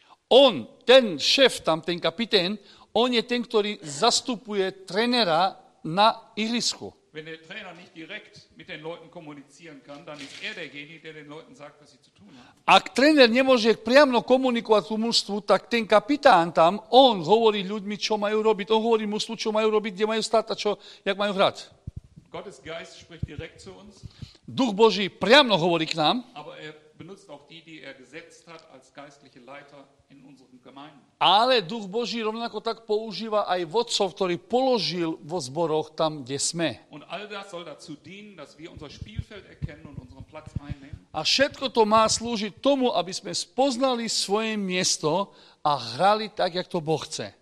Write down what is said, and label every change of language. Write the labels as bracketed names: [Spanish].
[Slovak] On, ten šéf tam, ten kapitén, on je ten, ktorý zastupuje trenera na ihrisku. [German] Wenn der Trainer nicht direkt mit den Leuten kommunizieren kann, dann ist er derjenige, der den Leuten sagt, was sie zu tun haben. [Slovak] Ak tréner nemôže priamo komunikovať s mužstvom, tak ten kapitán tam, on hovorí ľuďmi, čo majú robiť. On hovorí mužstvu, čo majú robiť, kde majú stáť a čo, jak majú hrať. [German] Gottes Geist spricht direkt zu uns. [Slovak] Duch Boží priamo hovorí k nám. [German] Aber er benutzt auch die, die er gesetzt hat als geistliche Leiter in unseren Gemeinden. [Slovak] Ale Duch Boží rovnako tak používa aj vodcov, ktorý položil vo zboroch tam, kde sme. [German] Und all das soll dazu dienen, dass wir unser Spielfeld erkennen und unseren Platz einnehmen. [Slovak] A všetko to má slúžiť tomu, aby sme spoznali svoje miesto a hrali tak, jak to Boh chce.